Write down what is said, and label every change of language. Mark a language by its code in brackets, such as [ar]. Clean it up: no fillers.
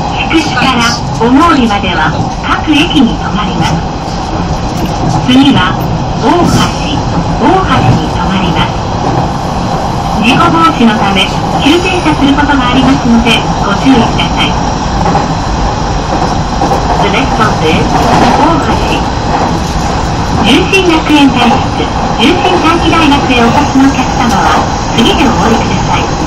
[ja] 筑紫から小郡までは各駅に止まります。次は大橋に止まります。事故防止のため急停車することがありますのでご注意ください。 [en] The next stop is 大橋。 [ja] 重心学園大学、重心短期大学へお越しのお客様は次でお降りください。